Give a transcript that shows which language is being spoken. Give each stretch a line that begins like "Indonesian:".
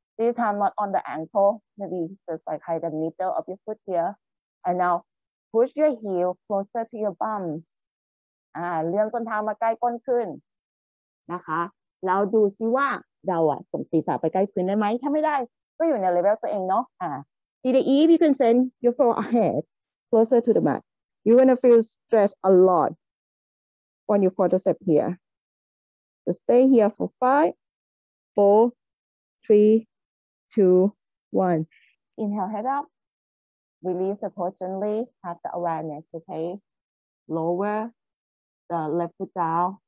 English: This time not on the ankle, maybe just like hide the middle of your foot here. And now push your heel closer to your bum.
Thai: เลื่อนส้นเท้ามาใกล้ก้นขึ้นนะคะแล้วดูซิว่าเราอะส่งศีรษะไปใกล้พื้นได้ไหมถ้าไม่ได้ก็อยู่ในเลเวลตัวเองเนาะ
English: Take a deep breath, send your forehead closer to the mat. You're gonna feel stress a lot on your quadricep here. So stay here for 5, 4, 3, 2, 1. Inhale, head up. Release the pose gently. Have the awareness, okay? Lower the left foot down.